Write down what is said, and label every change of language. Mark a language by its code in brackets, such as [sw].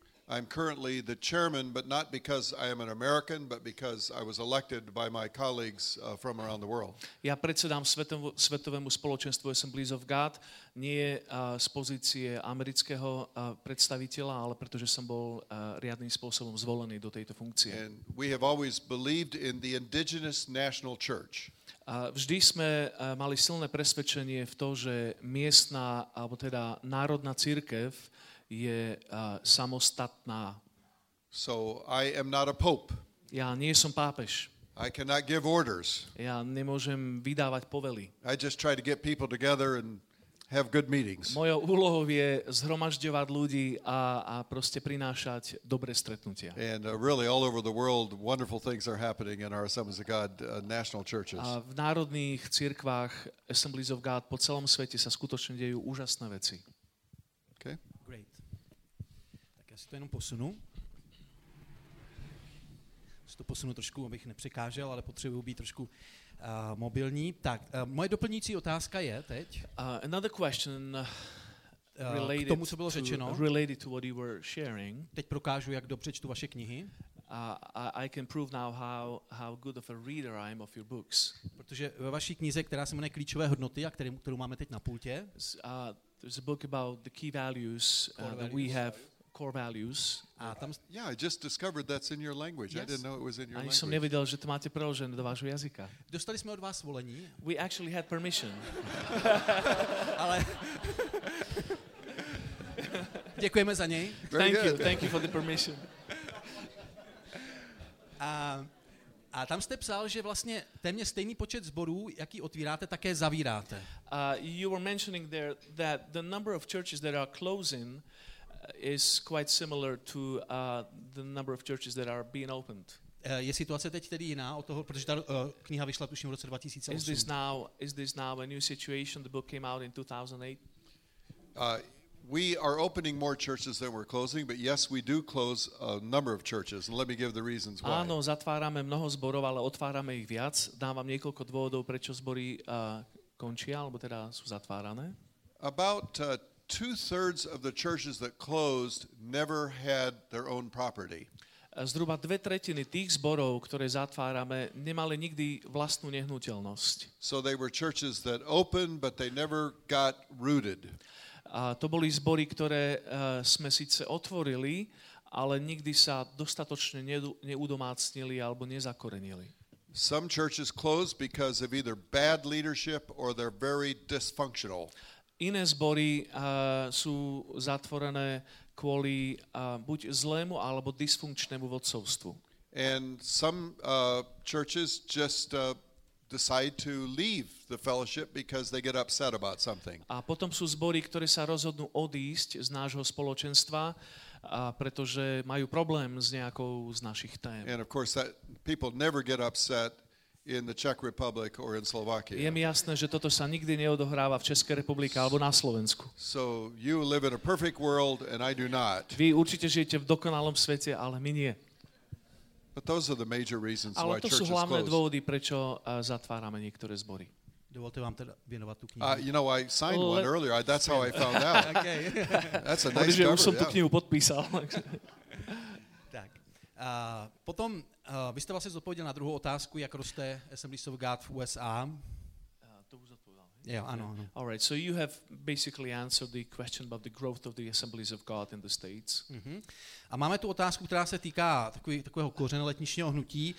[en] I'm currently the chairman, but not because I am an American, but because I was elected by my colleagues from around the world. [sk] Ja predsedám svetovému spoločenstvu Assemblies of God, nie z pozície amerického predstaviteľa, ale pretože som bol riadnym spôsobom zvolený do tejto funkcie. [en] And we have always believed in the indigenous national church. [sk] Vždy sme mali silné presvedčenie v tom, že miestna, alebo teda národná cirkev je samostatná. [en] So I am not a pope. [sk] Ja nie som pápež. [en] I cannot give orders. [sk] Ja nemôžem vydávať povely. [en] I just try to get people together and have good meetings. [sk] Mojou úlohou je zhromažďovať ľudí a proste prinášať dobré stretnutia. [en] And really all over the world wonderful things are happening in our Assemblies of God national churches. [sk] A v národných cirkvách Assemblies of God po celom svete sa skutočne dejú úžasné veci. [en] Okay. [cs] Great. Tak ja si to jenom posunu. Si to posunu trošku, abych nepřekážel, ale potřebuji být trošku mobilní. Tak, moje doplňující otázka je teď. [en] Another question related [cs] k tomu, co bylo řečeno. [en] Related to what you were sharing. [cs] Teď prokážu, jak dobře čtu vaše knihy. [en] I can prove now how good of a reader I am of your books. [cs] Protože ve vaší knize, která se jmenuje Klíčové hodnoty a kterou máme teď na pultě. [en] There's a book about the key values that we have. Core values. Yeah, I just discovered that's in your language. Yes. I didn't know it was in your language. [sk] Ani som nevedel, že to máte preložené do vášho jazyka. [cs] Dostali sme od vás svolení. [en] We actually had permission. [sk] Ale ďakujeme za nej. [en] Thank you for the permission. [cs] A tam jste psal, že vlastně téměř stejný počet zborů, jaký otvíráte, také zavíráte. [en] You were mentioning there that the number of churches that are closing is quite similar to the number of churches that are being opened. [cs] Je situace teď tedy jiná od toho, protože ta kniha vyšla tuším v roce 2008. [en] Is this now a new situation? The book came out in 2008. We are opening more churches than we're closing, but yes, we do close a number of churches. And let me give the reasons why. [sk] Áno, zatvárame mnoho zborov, ale otvárame ich viac. Dávam niekoľko dôvodov, prečo zbory končia, alebo teda sú zatvárané. [en] About 2/3 of the churches that closed never had their own property. [sk] Zhruba 2/3 tých zborov, ktoré zatvárame, nemali nikdy vlastnú nehnuteľnosť. [en] So they were churches that opened, but they never got rooted. [sk] A to boli zbory, ktoré sme síce otvorili, ale nikdy sa dostatočne neudomácnili alebo nezakorenili. [en] Some churches closed because of either bad leadership or they're very dysfunctional. [sk] Iné zbory sú zatvorené kvôli buď zlému alebo dysfunkčnému vodcovstvu. [en] And some churches just decide to leave the fellowship because they get upset about something. [sk] A potom sú zbory, ktoré sa rozhodnú odísť z nášho spoločenstva, pretože majú problém s nejakou z našich tém. [en] And of course that people never get upset in the Czech Republic or in Slovakia. [sk] Je mi jasné, že toto sa nikdy neodohráva v Českej republike alebo na Slovensku. [en] So you live in a perfect world and I do not. [sk] Vy určite žijete v dokonalom svete, ale my nie. [en] But those are the major reasons why churches close. [sk] Ale to sú hlavné dôvody, prečo zatvárame niektoré zbory. Dovolte vám teda venovať tú knihu. [en] I signed one earlier. That's how I found out. Okay. That's a nice cover. [sk] Už som tú knihu podpísal. [cs] Tak. Potom vy jste vlastně zodpověděl na druhou otázku, jak roste Assemblies of God v USA. To už zodpověděl. Jo, ano. [en] All right, so you have basically answered the question about the growth of the Assemblies of God in the States. Mm-hmm. [cs] A máme tu otázku, která se týká takového kořene letničního hnutí.